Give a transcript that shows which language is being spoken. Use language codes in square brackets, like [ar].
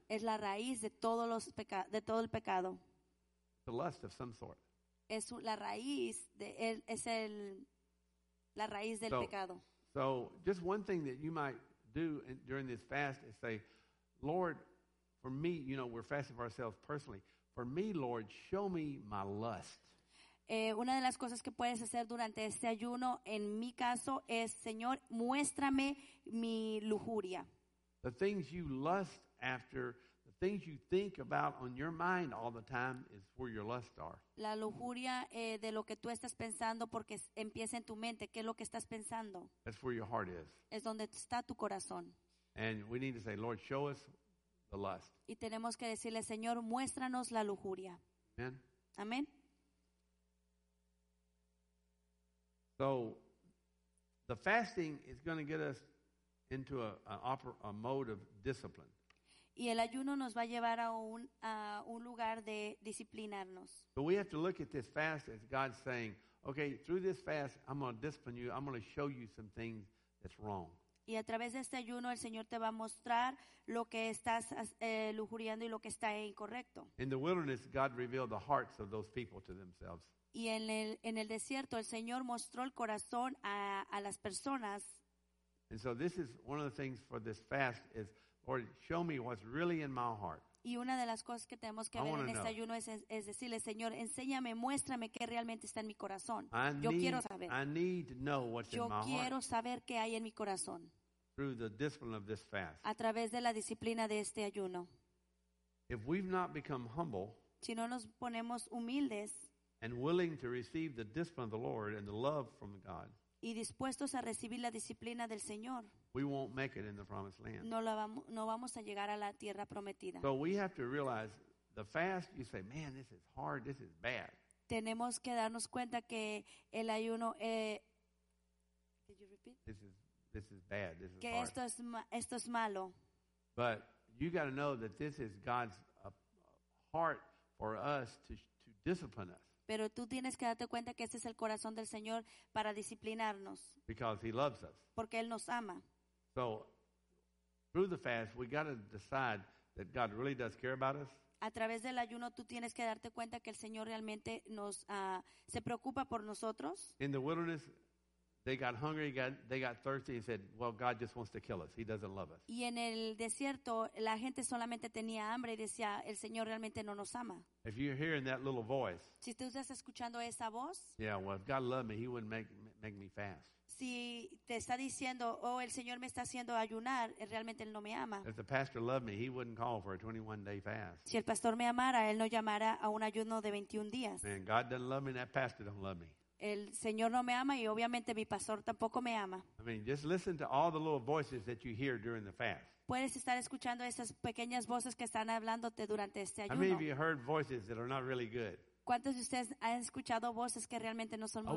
[es] Es la raíz de todos los de todo el pecado. [en] The lust of some sort. [es] Es la raíz de la raíz del pecado. [en] So just one thing that you might do during this fast is say, Lord, for me, you know, we're fasting for ourselves personally. For me, Lord, show me my lust. [es] Una de las cosas que puedes hacer durante este ayuno, en mi caso, es, Señor, muéstrame mi lujuria. [en] The things you lust after, the things you think about on your mind all the time is where your lusts are. [es] La lujuria de lo que tú estás pensando porque empieza en tu mente, ¿qué es lo que estás pensando? [en] That's where your heart is. [es] Es donde está tu corazón. [en] And we need to say, Lord, show us the lust. [es] Y tenemos que decirle, Señor, muéstranos la lujuria. [en] Amen. [es] Amen. [en] So, the fasting is going to get us into a mode of discipline. [es] Y el ayuno nos va a llevar a un lugar de disciplinarnos. [en] But we have to look at this fast as God saying, okay, through this fast, I'm going to discipline you. I'm going to show you some things that's wrong. [es] Y a través de este ayuno, el Señor te va a mostrar lo que estás lujuriando y lo que está incorrecto. [en] In the wilderness, God revealed the hearts of those people to themselves. [es] Y en el desierto, el Señor mostró el corazón a las personas. [en] And so this is one of the things for this fast is, Lord, show me what's really in my heart. [es] Y una de las cosas que tenemos que [en] I [es] ver en este [en] know. [es] Ayuno es decirle, Señor, enséñame, muéstrame qué realmente está en mi corazón. Yo quiero saber. [en] I need to know what's [es] Yo [en] in my heart. [es] Yo quiero saber qué hay en mi corazón. [en] Through the discipline of this fast. [es] A través de la disciplina de este ayuno. [en] If we've not become humble, [es] si no nos ponemos humildes, [en] and willing to receive the discipline of the Lord and the love from God, [es] y dispuestos a recibir la disciplina del Señor, [en] we won't make it in the promised land. [es] No vamos a llegar a la tierra prometida. [en] So we have to realize the fast, you say, man, this is hard, this is bad. [es] Tenemos que darnos cuenta que el ayuno, [en] did you repeat? This is bad, this is [es] que [en] hard. [es] Esto es malo. [en] But you got to know that this is God's heart for us to discipline us. [es] Pero tú tienes que darte cuenta que este es el corazón del Señor para disciplinarnos. [en] Because he loves us. [es] Porque Él nos ama. [en] So, through the fast, we got to decide that God really does care about us. [es] A través del ayuno, tú tienes que darte cuenta que el Señor realmente nos se preocupa por nosotros. [en] In the wilderness, they got hungry, they got thirsty, and said, well, God just wants to kill us. He doesn't love us. [es] Y en el desierto, la gente solamente tenía hambre y decía, el Señor realmente no nos ama. [en] If you're hearing that little voice, [es] si tú estás escuchando esa voz, [en] yeah, well, if God loved me, he wouldn't make me fast. [es] Si te está diciendo, oh, el Señor me está haciendo ayunar, realmente Él no me ama. [en] If the pastor loved me, he wouldn't call for a 21-day fast. [es] Si el pastor me amara, Él no llamara a un ayuno de 21 días. [en] Man, God doesn't love me, and that pastor don't love me. [es] El Señor no me ama y obviamente mi pastor tampoco me ama. [en] I mean, just listen to all the little voices that you hear during the fast. [es] Puedes estar escuchando esas pequeñas voces que están hablándote durante este ayuno. [en] How many of you heard voices that are not really good? [es] ¿Cuántos de ustedes han escuchado voces que realmente no son muy